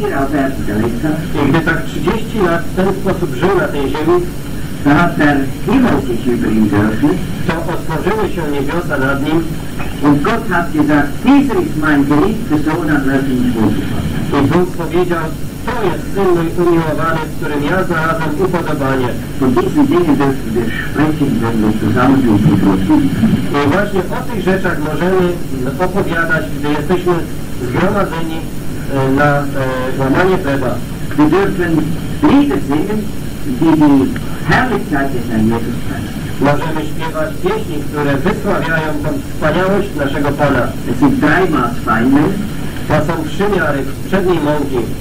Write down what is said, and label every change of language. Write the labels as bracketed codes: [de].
[pl] I gdy tak 30 lat w ten sposób żył na tej ziemi, to otworzyły się niebiosa nad nim. [de] Und Gott hat gesagt, dieser ist mein geliebter Sohn, an welchem ich wohlgefallen habe. Und Gott [pl] powiedział, to jest syn mój umiłowany, w którym ja znalazłem upodobanie. [de] Von diesen Dingen dürfen wir sprechen, wenn wir zusammen sind mit Gott. [pl] I właśnie o tych rzeczach możemy opowiadać, gdy jesteśmy zgromadzeni na łamanie chleba. [de] Wir dürfen Lieder singen, die die Herrlichkeit des Herrn Jesus Christus. [pl] Możemy śpiewać pieśni, które wysławiają tą wspaniałość naszego Pana. [de] Es ist dreimal feine. [pl] To są trzy miary przedniej mąki.